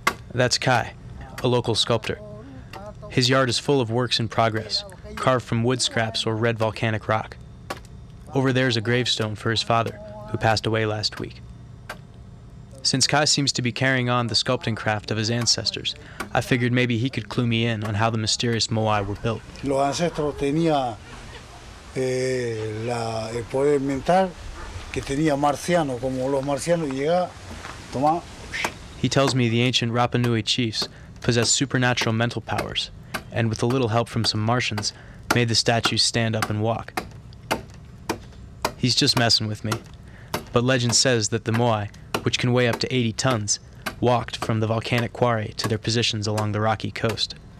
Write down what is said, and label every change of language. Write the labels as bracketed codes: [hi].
[en] That's Kai, a local sculptor. His yard is full of works in progress, carved from wood scraps or red volcanic rock. Over there is a gravestone for his father, who passed away last week. Since Kai seems to be carrying on the sculpting craft of his ancestors, I figured maybe he could clue me in on how the mysterious moai were built. [es] Los ancestros tenía el poder mental que tenía marciano, como los marcianos llega, toma. [en] He tells me the ancient Rapa Nui chiefs possessed supernatural mental powers, and with a little help from some Martians, made the statues stand up and walk. He's just messing with me, but legend says that the moai, which can weigh up to 80 tons, walked from the volcanic quarry to their positions along the rocky coast.